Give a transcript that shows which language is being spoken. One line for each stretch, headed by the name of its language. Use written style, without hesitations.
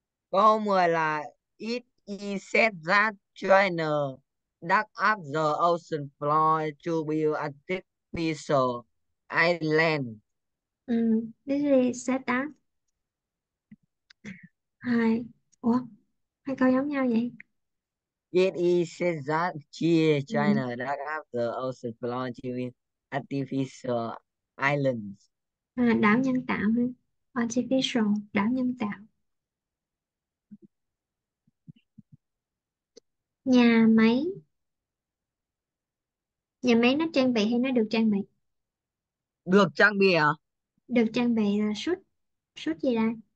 Vietnamese: Câu 10 là
English: It is said that China dug up the ocean floor to build an artificial island. This is hai.
Vietnamese: Ủa, hai câu giống nhau vậy?
English: It is said that China dug up the ocean floor to build artificial islands.
Vietnamese: À, đảo nhân tạo ha. Artificial, đảo nhân tạo. Nhà máy. Nhà máy nó trang bị hay nó được trang bị? Được trang bị à? Được trang bị là suit. Suit gì đây?